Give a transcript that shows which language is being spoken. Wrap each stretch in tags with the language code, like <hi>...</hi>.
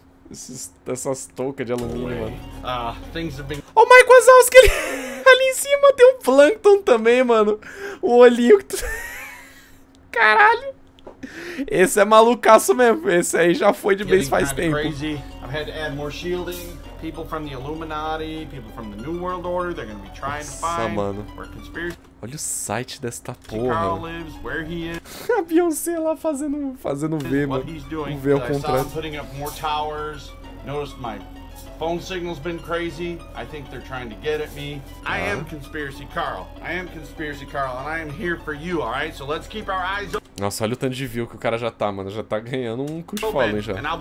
<pt>Essas toucas de alumínio, mano. Oh, Mike Wazowski, ali em cima tem um plankton também, mano. O olhinho que tu... Caralho. Esse é malucaço mesmo. Esse aí já foi de base faz tempo.</pt> <en>Crazy. I've had to add more shielding. People from the Illuminati, people from the New World Order, they're gonna be trying</en> <pt>Nossa,</pt> <en>to find</en> <pt>mano.</pt> <en>Where conspiracy.</en> <pt>Olha o site desta porra.</pt> <en>Carl lives, where he is.</en> <pt>A Beyoncé lá fazendo V, mano. Um V ao contrário.</pt> <en>Putting up more towers. Noticed my phone signal's been crazy. I think they're trying to get at me. I am conspiracy Carl. I am conspiracy Carl and I am here for you, all right? So let's keep our eyes open.</en> <pt>Nossa, olha o tanto de view que o cara já tá, mano. Já tá ganhando um</pt> <en>cush following</en> <pt>já.</pt>